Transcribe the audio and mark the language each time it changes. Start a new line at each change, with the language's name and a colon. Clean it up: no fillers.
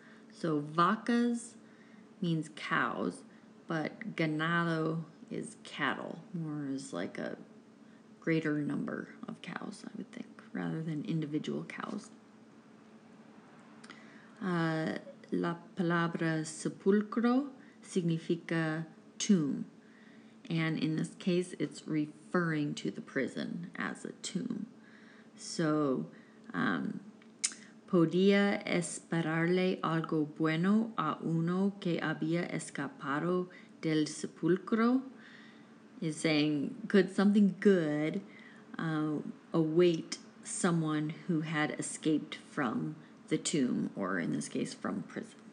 English: So vacas means cows, but ganado is cattle, more is like a greater number of cows, I would think, rather than individual cows.
Spanish: La palabra sepulcro significa tomb.
English: And in this case, it's referring to the prison as a tomb.
Spanish: So, podía esperarle algo bueno a uno que había escapado del sepulcro.
English: Is saying, could something good await someone who had escaped from the tomb, or in this case, from prison?